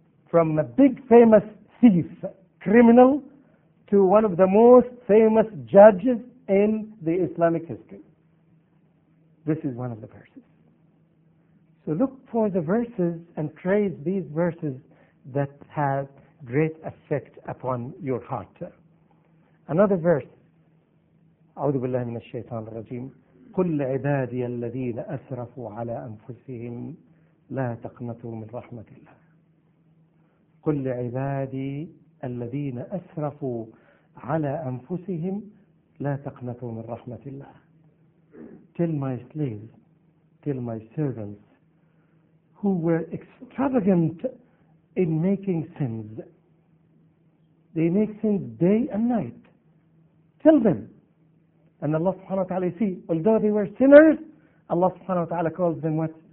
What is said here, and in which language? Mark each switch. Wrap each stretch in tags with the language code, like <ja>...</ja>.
<en>From a big famous thief, criminal, to one of the most famous judges in the Islamic history. This is one of the verses. So look for the verses and trace these verses that have great effect upon your heart. Another verse.</en> <ar>أعوذ بالله من الشيطان الرجيم. قل عبادي الذين أسرفوا على أنفسهم لا تقنطوا من رحمة الله. قل عبادي الذين أسرفوا على أنفسهم لا تقنطوا من رحمة الله.</ar> <en>Tell my slaves, tell my servants who were extravagant in making sins. They make sins day and night. Tell them, And Allah subhanahu wa ta'ala, you see, although they were sinners, Allah subhanahu wa ta'ala calls them what?</en>